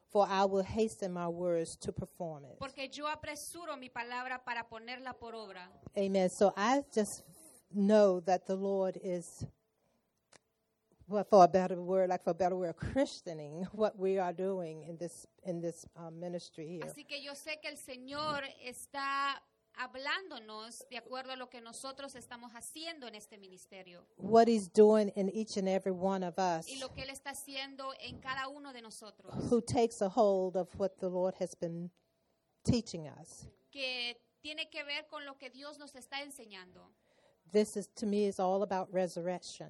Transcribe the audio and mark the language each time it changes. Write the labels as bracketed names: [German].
[English] for I will hasten my words to perform it. [Spanish] Porque yo apresuro mi palabra para ponerla por obra. [English] Amen. So I just know that the Lord is, well, for a better word, like for a better word, christening what we are doing in this ministry here. [Spanish] Así que yo sé que el Señor está hablándonos de acuerdo a lo que nosotros estamos haciendo en este ministerio. [English] What he's doing in each and every one of us. [Spanish] Y lo que él está haciendo en cada uno de nosotros. [English] Who takes a hold of what the Lord has been teaching us. [Spanish] Que tiene que ver con lo que Dios nos está enseñando. [English] This is, to me, is all about resurrection.